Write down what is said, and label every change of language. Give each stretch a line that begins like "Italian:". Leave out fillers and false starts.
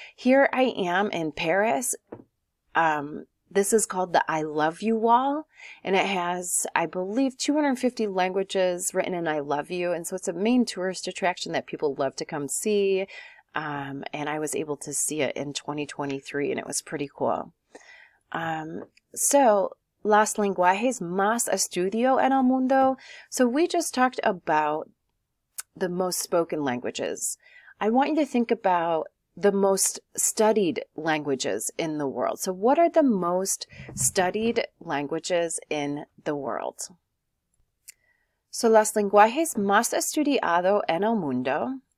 English: Here I am in Paris. This is called the I Love You Wall, and it has, I believe, 250 languages written in I Love You. And so it's a main tourist attraction that people love to come see. And I was able to see it in 2023, and it was pretty cool.
Spanish: So, las lenguajes más estudio en el mundo.
English: So we just talked about the most spoken languages. I want you to think about the most studied languages in the world. So, what are the most studied languages in the world?
Spanish: So, las lenguajes más estudiado en el mundo.